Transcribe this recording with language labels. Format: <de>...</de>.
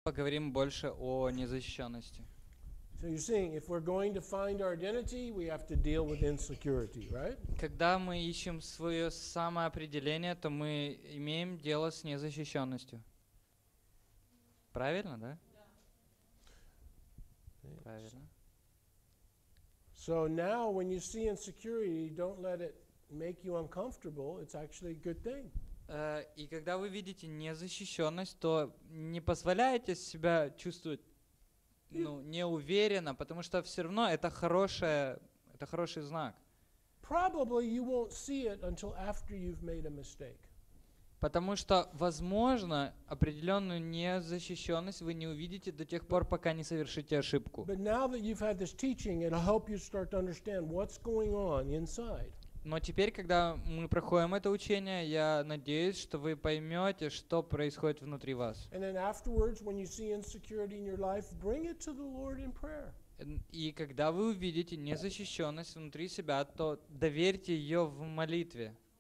<ru>поговорим больше о незащищенности.</ru> <en>So you're seeing, if we're going to find our identity, we have to deal with insecurity, right?</en> <ru>Когда мы ищем свое самоопределение, то мы имеем дело с незащищенностью. Правильно, да?</ru> <en>Yeah.</en> <ru>Правильно.</ru> <en>So now, when you see insecurity, don't let it make you uncomfortable. It's actually a good thing.</en> <ru>И когда вы видите незащищенность, то не позволяйте себя чувствовать. Ну, не уверена, потому что все равно это хороший знак.</ru> <en>Probably you won't see it until after you've made a mistake.</en> <ru>Потому что, возможно, определенную незащищенность вы не увидите до тех пор, пока не совершите ошибку.</ru> <en>But now that you've had this teaching, it'll help you start to understand what's going on inside.</en> <ru>Но теперь, когда мы проходим это учение, я надеюсь, что вы поймете, что происходит внутри вас. И когда вы увидите незащищенность внутри себя, то доверьте ее в молитве.</ru>